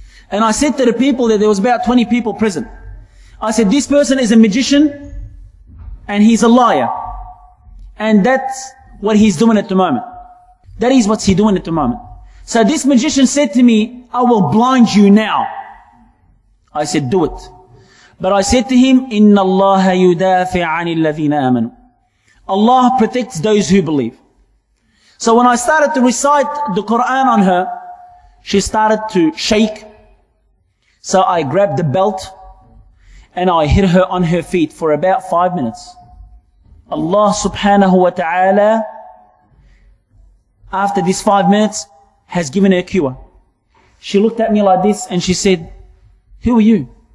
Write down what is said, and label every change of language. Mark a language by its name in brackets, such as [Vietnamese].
[English] And I said to the people that there was about 20 people present. I said, this person is a magician and he's a liar. And that's what he's doing at the moment. That is what he's doing at the moment. So this magician said to me, I will blind you now. I said, do it. But I said to him, [Arabic] إِنَّ اللَّهَ يُدَافِعَ عَنِ الَّذِينَ آمَنُوا. [English] Allah protects those who believe. So when I started to recite the Quran on her, she started to shake. So I grabbed the belt and I hit her on her feet for about 5 minutes. Allah subhanahu wa ta'ala, after these 5 minutes, has given her a cure. She looked at me like this and she said, who are you?